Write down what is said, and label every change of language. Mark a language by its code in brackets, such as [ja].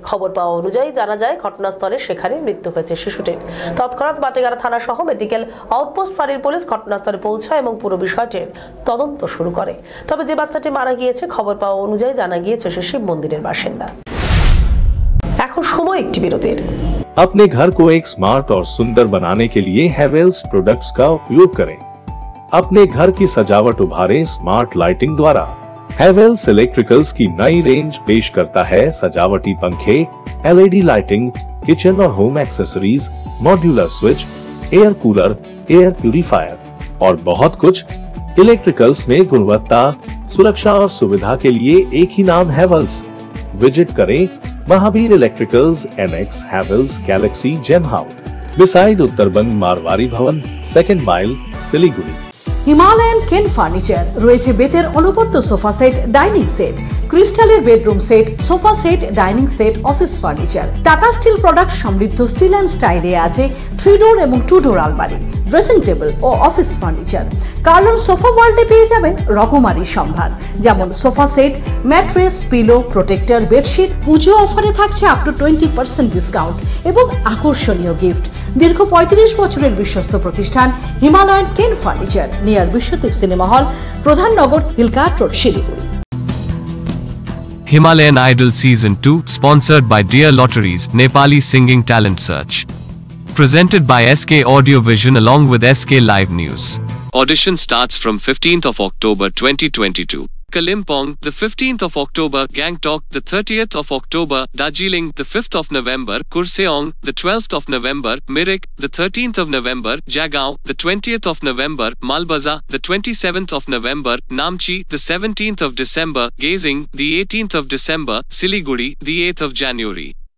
[bn] খবর পাওয়া অনুযায়ী জানা যায় ঘটনাস্থলে সেখানে মৃত্যু হয়েছে শিশুটির। তৎক্ষণাৎ মাটিগাড়া থানা সহ মেডিকেল আউটপোস্ট ফাঁড়ির পুলিশ ঘটনাস্থলে পৌঁছায় এবং পুরো বিষয়টির তদন্ত শুরু করে। তবে যে বাচ্চাটি মারা গিয়েছে খবর পাওয়া অনুযায়ী জানা গিয়েছে সে শিব মন্দিরের বাসিন্দা। এখন সময় একটি বিরতির। [hi] अपने घर को एक स्मार्ट और सुंदर बनाने के लिए हैवेल्स प्रोडक्ट्स का उपयोग करें। अपने घर की सजावट उभारें स्मार्ट लाइटिंग द्वारा। हैवेल्स इलेक्ट्रिकल्स की नई रेंज पेश करता है सजावटी पंखे, एलईडी लाइटिंग, किचन और home accessories, modular switch, air cooler, air purifier और बहुत कुछ। इलेक्ट्रिकल्स में गुणवत्ता, सुरक्षा और सुविधा के लिए एक ही नाम, हैवेल्स। विजिट करें Mahavir electricals, NX, Havells, Galaxy, जेमहाउ, beside Uttar Banga Marwari भवन, सेकंड माइल, सिलीगुड़ी। [bn] হিমালয়ান কেন ফার্নিচার রয়েছে বেতের অনবদ্য সোফা সেট, ডাইনিং সেট, ক্রিস্টালের bedroom set, sofa set, dining set, office furniture. Tata still product সমৃদ্ধ স্টিল অ্যান্ড স্টাইলে আছে থ্রি ডোর এবং টু ডোর আলমারি, ড্রেসিং টেবিল ও অফিস ফার্নিচার। কার্লন সোফা ওয়ার্ল্ডে পেয়ে যাবেন রকমারি সম্ভার, যেমন sofa set, mattress, pillow, protector, bedsheet. পুজো অফারে থাকছে আপ টু 20% ডিসকাউন্ট এবং আকর্ষণীয় গিফট। দীর্ঘ 35 বছরের বিশ্বস্ত প্রতিষ্ঠান হিমালয়ান কেন furniture, near Biswadip cinema hall, প্রধান নগর, Hill Cart road, Siliguri. [en] Himalayan Idol Season 2, sponsored by Dear Lotteries, Nepali Singing Talent Search. Presented by SK Audio Vision along with SK Live News. Audition starts from 15th of October 2022. Kalimpong, the 15th of October, Gangtok, the 30th of October, Darjeeling, the 5th of November, Kurseong, the 12th of November, Mirik, the 13th of November, Jagao, the 20th of November, Malbaza, the 27th of November, Namchi, the 17th of December, Gazing, the 18th of December, Siliguri, the 8th of January.